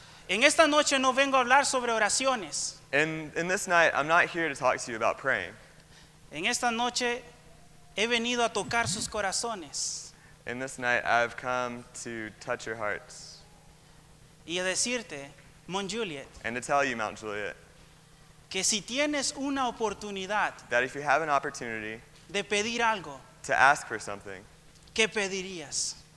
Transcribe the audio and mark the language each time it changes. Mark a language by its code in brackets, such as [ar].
[es] En esta noche no vengo a hablar sobre oraciones. [en] In this night, I'm not here to talk to you about praying. [es] En esta noche he venido a tocar sus corazones. [en] In this night, I've come to touch your hearts. [es] Y a decirte, Mount Juliet. [en] And to tell you, Mount Juliet. [es] Que si tienes una oportunidad. [en] That if you have an opportunity. [es] De pedir algo. [en] To ask for something. [es] ¿Qué pedirías?